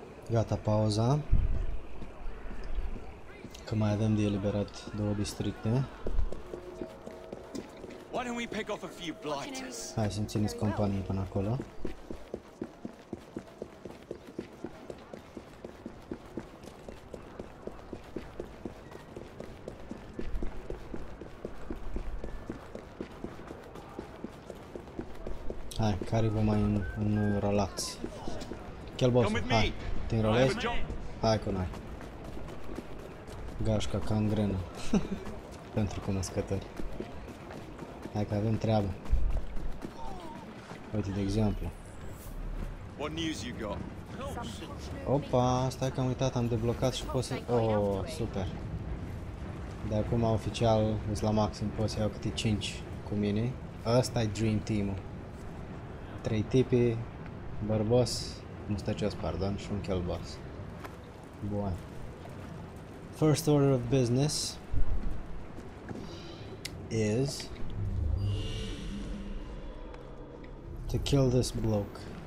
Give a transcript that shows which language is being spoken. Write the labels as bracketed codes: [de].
[ro] Gata, pauza. Că mai avem de eliberat două districte. [en] Why don't we pick off a few blighters? [ro] Hai să-mi țineți companie până acolo. Hai, care vă mai înrolați? Chelbos, hai, te înrolezi? Hai cu noi. Gașca, ca în grână. Pentru cunoscători. Hai că avem treabă. Uite, de exemplu. [en] What news you got? [ro] Opa, stai că am uitat, am deblocat și pot să... Oh, super. De acum, oficial, îți la maxim, pot să iau câte 5 cu mine. Ăsta-i Dream Team-ul. 3 tipi, bărbos, mustăcios, pardon, și un chelbos. Bun. [en] First order of business is to kill this bloke.